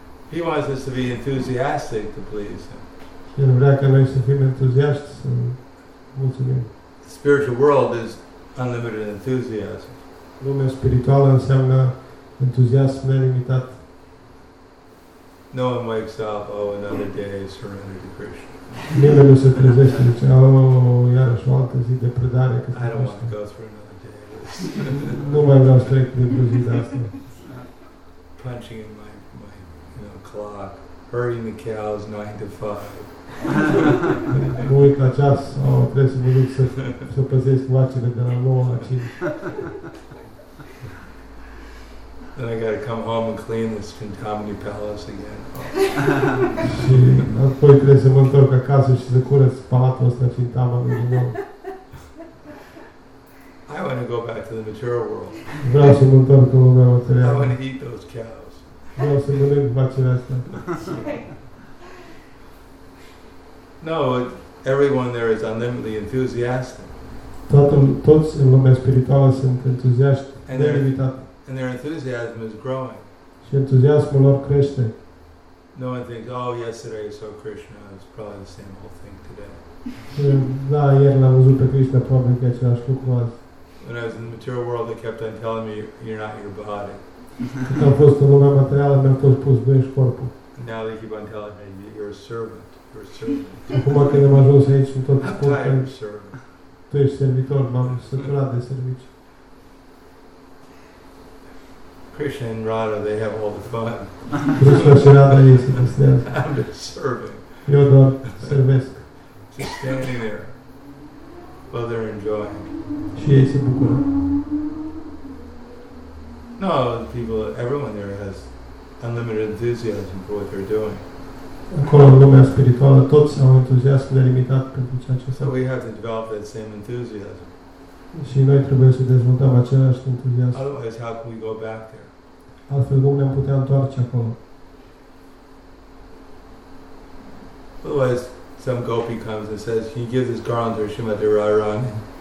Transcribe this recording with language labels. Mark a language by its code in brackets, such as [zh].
[en] He wants us to be enthusiastic to please Him. [ro] El vrea ca noi să fim entuziaști, să mulțumim. [en] The spiritual world is unlimited enthusiasm. [ro] Lumea spirituală înseamnă entuziasm nelimitat. [en] No one wakes up, oh, another day, surrender to Krishna. [ro] Nimeni nu se trezește, zice, oh, iarăși o altă zi de predare. [en] I don't want to go through another day. [ro] Nu mai vreau să trec de prin zi de asta. [en] Punching in my you know, clock, herding the cows 9 to 5. [ro] Mă uit la ceas, oh, trebuie să mă duc să, să păzesc vacile de la 9 la 5. [en] Then I gotta come home and clean this contaminated palace again. [ro] Și apoi trebuie să mă întorc acasă și să curăț patul ăsta și tava din nou. [en] I want to go back to the mature world. [ro] Vreau să mă întorc în lumea materială. [en] I want to eat those cows. [ro] Vreau să mănânc vacile astea. [en] No, everyone there is unlimitedly enthusiastic. [ro] Toți în lumea spirituală sunt entuziaști. [en] And their enthusiasm is growing. [ro] Și entuziasmul lor crește. [en] No one thinks, oh, yesterday I saw Krishna, it's probably the same old thing today. [ro] Da, ieri l-am văzut pe Krishna, probabil că e același lucru azi. [en] When I was in the material world, they kept on telling me, you're not your body. [ro] Când am fost în lumea materială, mi-a fost spus, nu ești corpul. [en] And now they keep on telling me, you're a servant. [ro] Și acum când am ajuns aici, sunt tot spus, tu ești servitor, m-am săturat de servici. [en] Krishna and Radha, they have all the fun. [ro] Krishna și Radha, ei se distrează. [en] I'm just serving. [ro] Eu doar servesc. [en] Just standing there. Well, they're enjoying. [ro] Și ei se bucură. [en] No, the people, everyone there has unlimited enthusiasm for what they're doing. [ro] Acolo, în lumea spirituală, toți au entuziasm nelimitat pentru ceea ce fac. [en] So we have to develop that same enthusiasm. [ro] Și noi trebuie să dezvoltăm același entuziasm. [en] Otherwise, how can we go back there? [ro] Altfel, cum ne-am putea întoarce acolo? [en] Otherwise, some gopi comes and says, can you give this garland to Srimati Radharani?